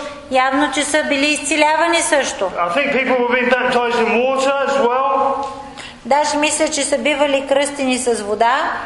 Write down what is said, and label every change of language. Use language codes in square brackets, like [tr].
[bg] Явно, че са били изцелявани също. [en] I think people were being baptized in water as well. [bg] Даже мисля, че са бивали кръстени с вода.